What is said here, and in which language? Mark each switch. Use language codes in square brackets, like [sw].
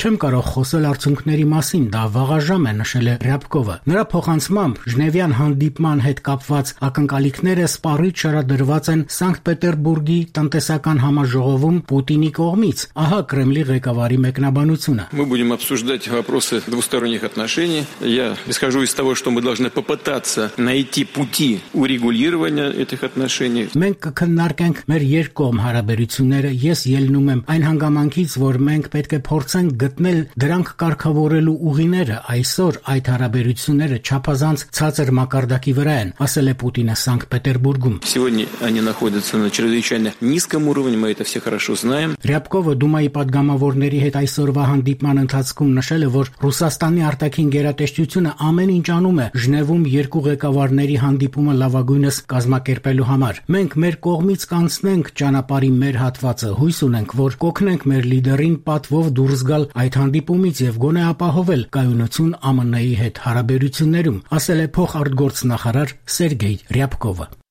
[hy] Չեմ կարող խոսել արդյունքների մասին, դա վաղաժամ է, նշել է Ռյապկովը։ Նրա փոխանցմամբ Ժնևյան հանդիպման հետ կապված ակնկալիքները սպառիչ շարադրված են Սանկտ Պետերբուրգի տնտեսական համաժողովում Պուտինի կողմից։ Ահա Կրեմլի Արևելի ղեկավարի մեկնաբանությունը։ [ru] Мы будем обсуждать вопросы двусторонних отношений. Я исхожу из того, что мы должны попытаться найти пути урегулирования этих отношений. [hy] Մենք կքննարկենք մեր երկկողմ հարաբերությունները։ Ես ելնում եմ այն հանգամանքից, որ մենք պետք է փորձենք գտնել դրանք կարգավորելու ուղիները։ Այսօր այդ հարաբերությունները չափազանց ցածր մակարդակի վրա են, ասել է Պուտինը Սանկտպետերբուրգում։ [ru] Сегодня они находятся на чрезвычайно низком уровне, мы это все хорошо знаем. [hy] Ռյապկովը Դումայի падգամավորների հետ այսօրվա հանդիպման ընթացքում նշել է, որ Ռուսաստանի արտաքին գերատեսչությունը ամեն ինչ անում է Ժնևում երկու ղեկավարների հանդիպումը լավագույնս կազմակերպելու համար։ Մենք մեր կողմից կանցնենք ճանապարհի մեր հատվածը, հույս ունենք, որ կօգնենք մեր լիդերին պատվով դուրս գալ այդ հանդիպումից եւ գոնե ապահովել կայունություն ԱՄՆ-ի հետ հարաբերություններում, ասել է փոխարտգործնախարար Սերգեյ Ռյապկովը։